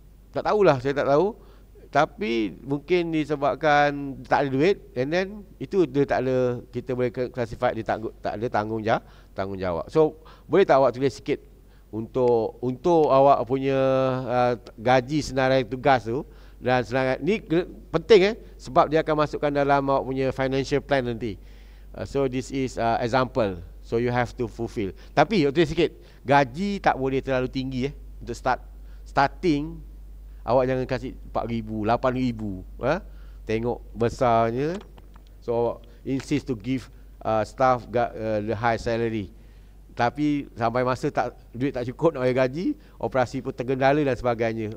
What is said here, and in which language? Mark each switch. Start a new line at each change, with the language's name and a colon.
Malay: Tak tahulah, saya tak tahu. Tapi mungkin disebabkan tak ada duit,
English: and then
Malay: itu dia tak ada, kita boleh classify dia tak, tak ada tanggungjawab. So boleh tak awak tulis sikit untuk awak punya gaji senarai tugas tu, dan senarai ni penting sebab dia akan masukkan dalam awak punya
English: financial plan
Malay: nanti.
English: So this is example, so you have to fulfill.
Malay: Tapi tulis sikit, gaji tak boleh terlalu tinggi untuk starting. Awak jangan kasi 4,000, 8,000. Tengok besarnya.
English: So awak insist to give staff the high salary.
Malay: Tapi sampai masa tak, duit tak cukup nak bayar gaji, operasi pun tergendala dan sebagainya.